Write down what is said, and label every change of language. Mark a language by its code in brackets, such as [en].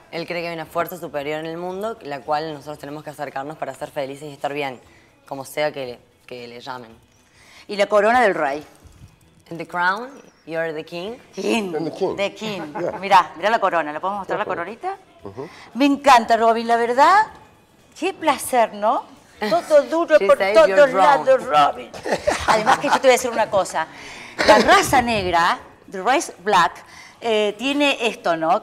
[es] Él cree que hay una fuerza superior en el mundo, la cual nosotros tenemos que acercarnos para ser felices y estar bien, como sea que le llamen. Y la corona del rey. [en] In the crown, you're the king. King. And the king. The king. Yeah. [es] Mirá, mirá la corona. ¿La podemos mostrar la coronita? Me encanta, Robin, la verdad. Qué placer, ¿no? Todo duro por todos lados, Robin. Además que yo te voy a decir una cosa. La raza negra, [en] the race black, [es] tiene esto, ¿no?